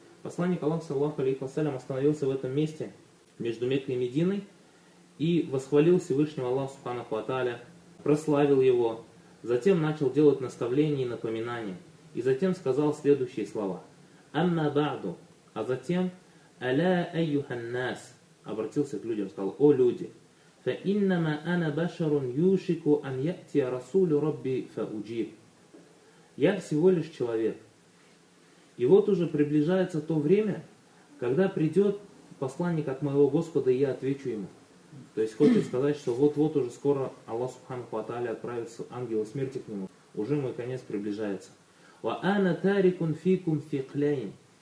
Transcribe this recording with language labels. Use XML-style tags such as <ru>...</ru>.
<ru>Посланник Аллаха, саллиллаху алейхи ва саллям, остановился в этом месте между Меккой и Мединой и восхвалил Всевышнего Аллаха, субханаху ва тааля, прославил его. Затем начал делать наставления и напоминания. И затем сказал следующие слова. «Амма ба'ду». А затем «Аля айюханнас». Обратился к людям, сказал «О люди».</ru> <ar>فإنما أنا بشر يوشك أن يأتي رسول ربي فأجيب.</ar> <ru>Я всего лишь человек. И вот уже приближается то время, когда придет посланник от моего Господа, и я отвечу ему. То есть хочет сказать, что вот-вот уже скоро Аллах Субханаху ва Тааля отправит ангела смерти к нему. Уже мой конец приближается.</ru> <ar>Ва ана тарикун фикум фиклейн.</ar>